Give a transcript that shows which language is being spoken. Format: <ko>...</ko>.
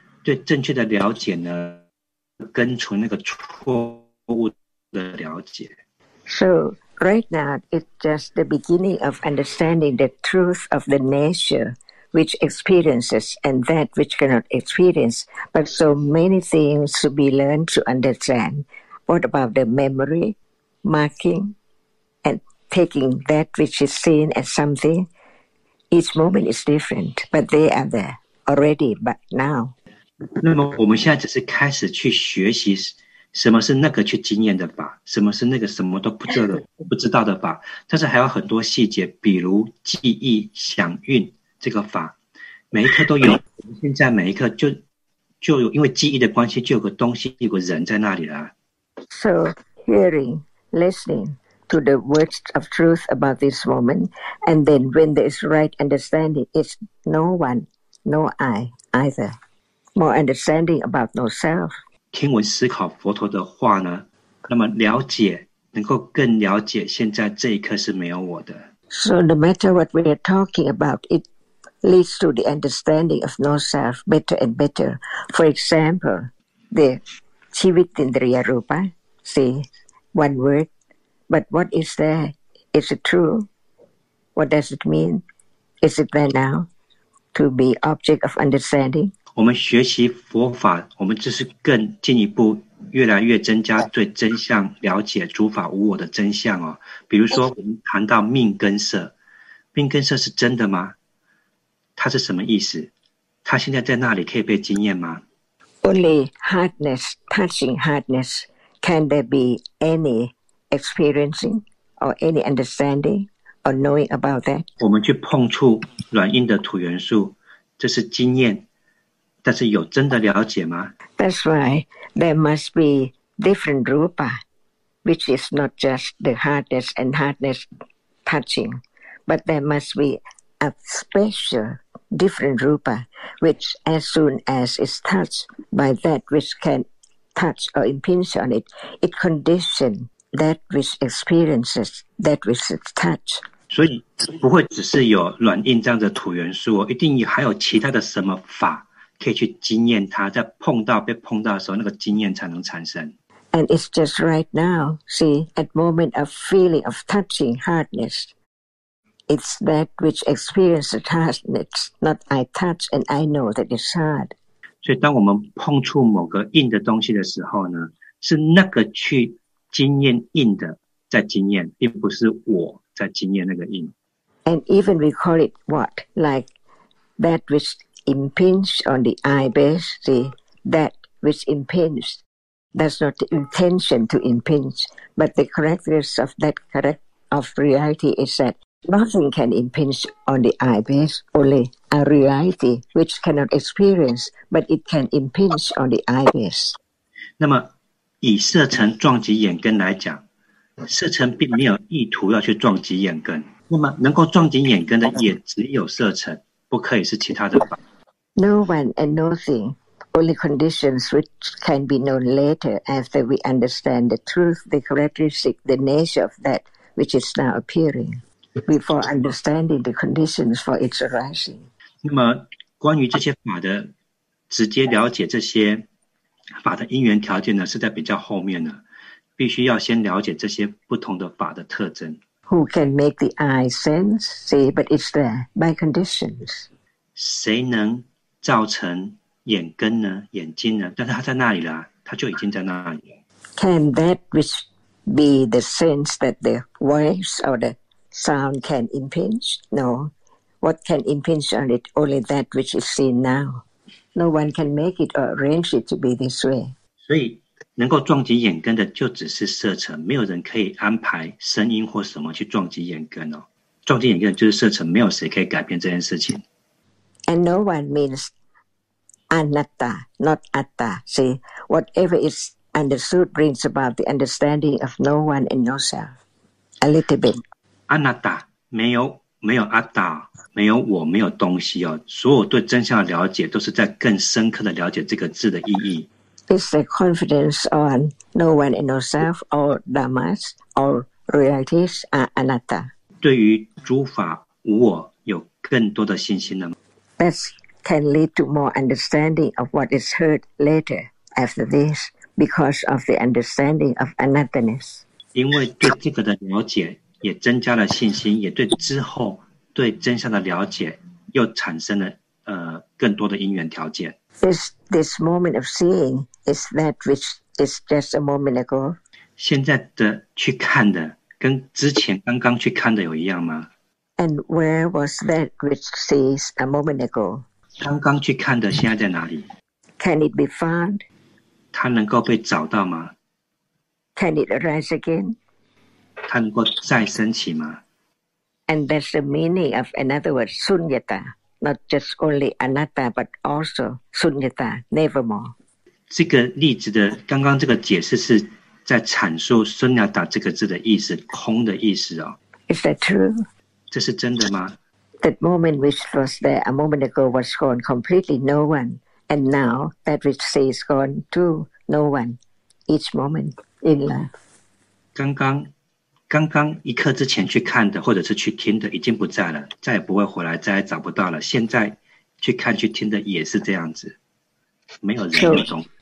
<zh>对正确的了解呢，根除那个错误的了解。</zh> <en>So right now, it's just the beginning of understanding the truth of the nature which experiences and that which cannot experience. But so many things to be learned to understand. What about the memory, marking, and? Taking that which is seen as something, each moment is different, but they are there already, but now.</en> <zh>那么我们现在只是开始去学习什么是那个去经验的法，什么是那个什么都不知道的不知道的法，但是还有很多细节，比如记忆、想运这个法，每一刻都有。现在每一刻就有，因为记忆的关系，就有个东西，有个人在那里了。</zh> <en>So, hearing, listening. To the words of truth about this moment, and then when there is right understanding, it's no one, no I either. More understanding about no self.</en> <zh>听闻思考佛陀的话呢那么了解，能够更了解现在这一刻是没有我的。</zh> <en>So no matter what we are talking about, it leads to the understanding of no self better and better. For example, the Chivitindriya Rupa, see, one word, but what is there? Is it true? What does it mean? Is it there now to be object of understanding?</en> <zh>我们学习佛法，我们就是更进一步越来越增加对真相了解，诸法无我的真相哦。比如说我们谈到命根色，命根色是真的吗？它是什么意思？它现在在那里可以被经验吗？</zh> <en>Only hardness, touching hardness, can there be any experiencing or any understanding or knowing about that?</en> <zh>我们去碰触软硬的土元素，这是经验，但是有真的了解吗？</zh> <en>That's why there must be different rupa, which is not just the hardness and hardness touching, but there must be a special different rupa, which as soon as it's touched by that which can touch or impinge on it, it conditions that which experiences that which is touched.</en> <zh>所以不会只是有软硬这样的土元素、哦、一定还有其他的什么法可以去经验它，在碰到被碰到的时候那个经验才能产生。</zh> <en>And it's just right now, see, at moment of feeling of touching hardness, it's that which experiences hardness, not I touch and I know that it's hard.</en> <zh>所以当我们碰触某个硬的东西的时候呢，是那个去经验硬的在经验，并不是我在经验那个印。</zh> <en>And even we call it what? Like that which impinged on the eye base, see? That which impinged. That's not the intention to impinge, but the characteristics of that correct of reality is that nothing can impinge on the eye base, only a reality which cannot experience, but it can impinge on the eye base.</en> <zh>那么以色尘撞击眼根来讲，色尘并没有意图要去撞击眼根，那么能够撞击眼根的也只有色尘，不可以是其他的法。</zh> <en>No one and nothing, only conditions which can be known later after we understand the truth, the characteristic, the nature of that which is now appearing, before understanding the conditions for its arising.</en> <zh>那么关于这些法的直接了解，这些法的因缘条件呢，是在比较后面的。必须要先了解这些不同的法的特征。</zh> <en>Who can make the eye sense? See, but it's there by conditions.</en> <zh>谁能造成眼根呢？眼睛呢？但是它在那里了，它就已经在那里了。</zh> <en>Can that which be the sense that the voice or the sound can impinge? No. What can impinge on it? Only that which is seen now. No one can make it or arrange it to be this way.</en> <zh>所以能够撞击眼根的就只是色尘，没有人可以安排声音或什么去撞击眼根哦。撞击眼根就是色尘，没有谁可以改变这件事情。</zh> <en>And no one means anatta, not atta. See, whatever is understood brings about the understanding of no one and no self. A little bit.</en> <zh>Anatta, 没有 atta, 没有我，没有东西哦。所有对真相的了解都是在更深刻的了解这个字的意义。</zh> <en>It's the confidence on no one and no self, all dhammas, all realities are anatta.</en> <zh>对于诸法无我有更多的信心了吗？</zh> <en>That can lead to more understanding of what is heard later after this because of the understanding of anatta-ness.</en> <zh>因为对这个的了解也增加了信心，也对之后对真相的了解又产生了更多的因缘条件。</zh> <en>This moment of seeing is that which is just a moment ago.</en> <zh>现在的去看的跟之前刚刚去看的有一样吗？</zh> <en>And where was that which sees a moment ago?</en> <zh>刚刚去看的现在在哪里？</zh> <en>Can it be found?</en> <zh>它能够被找到吗？</zh> <en>Can it arise again?</en> <zh>它能够再升起吗？</zh> <en>And that's the meaning of another word, sunyata. Not just only anatta, but also sunyata, nevermore.</en> <zh>这个例子的刚刚这个解释是在阐述 sunyata 这个字的意思，空的意思哦。</zh> <en>Is that true?</en> <zh>这是真的吗？</zh> <en>That moment which was there a moment ago was gone completely, no one. And now that which is gone too, no one. Each moment, in life.</en> <zh>刚刚一刻之前去看的或者是去听的已经不在了，再也不会回来，再也找不到了。现在去看去听的也是这样子，没有人有种。</zh>